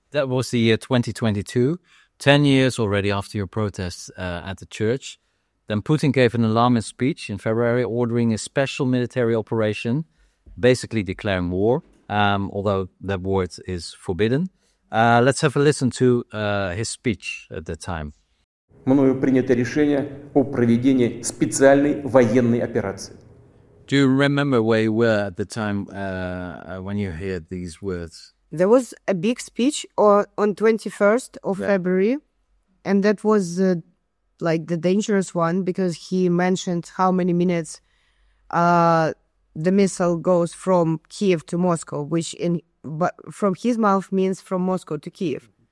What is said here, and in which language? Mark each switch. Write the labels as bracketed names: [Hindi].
[English] That was the year 2022, 10 years already after your protests at the church. Then Putin gave an alarmist speech in February, ordering a special military operation, basically declaring war, although that war is forbidden. Let's have a listen to his speech at the time. [Russian] Мною принято решение о проведении специальной военной операции. [English] Do you remember where you were at the time when you heard these words? There was a big speech on 21st of February, and that was like the dangerous one because he mentioned how many minutes the missile goes from Kyiv to Moscow, which from his mouth means from Moscow to Kyiv.